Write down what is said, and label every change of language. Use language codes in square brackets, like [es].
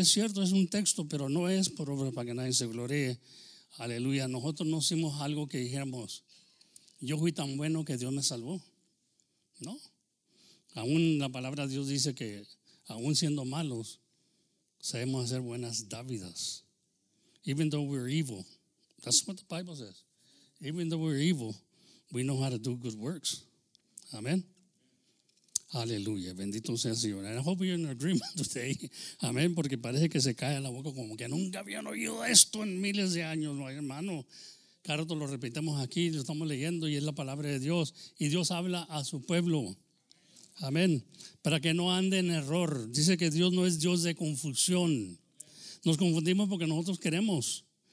[es] Y es cierto, es un texto, pero no es por obra para que nadie se gloríe. Aleluya. Nosotros no hicimos algo que dijéramos, yo fui tan bueno que Dios me salvó. No. Aún la palabra de Dios dice que, aún siendo malos, sabemos hacer buenas dádivas. [en] Even though we're evil. That's what the Bible says. Even though we're evil, we know how to do good works. Amen. [es] Aleluya. Bendito sea el Señor. [en] And I hope you're in agreement today. Amen. [es] Porque parece que se cae a la boca como que nunca habían oído esto en miles de años. No, hermano. Cada rato lo repetimos aquí, lo estamos leyendo y es la palabra de Dios. Y Dios habla a su pueblo. Amén. Para que no ande en error. Dice que Dios no es Dios de confusión. Nos confundimos porque nosotros queremos.